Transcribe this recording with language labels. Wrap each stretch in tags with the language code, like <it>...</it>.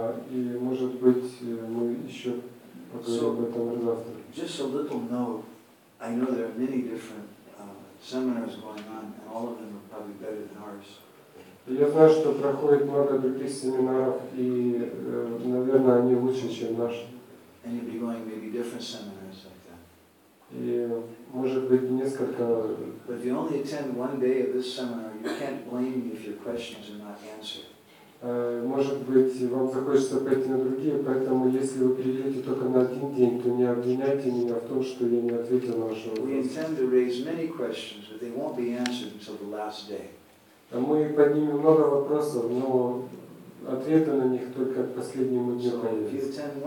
<ru>И, может быть, мы еще поговорим об этом завтра.</ru> <en>Just a little note. I know there are many different seminars going on, and all of them are probably better than ours.</en> <ru>Я знаю, что проходит много других семинаров, и, наверное, они лучше, чем наши.</ru> <en>Anybody going maybe different seminars like that?</en> <ru>И, может быть, несколько.</ru> <en>But if you only attend one day of this seminar, you can't blame me if your questions are not answered.</en> <ru>Может быть, вам захочется пойти на другие, поэтому если вы приедете только на один день, то не обвиняйте меня в том, что я не ответил на ваши вопросы.</ru> <en>We intend to raise many questions, but they won't be answered until the last day.</en> <ru>Мы поднимем много вопросов, но ответы на них только к последнему дню появятся.</ru>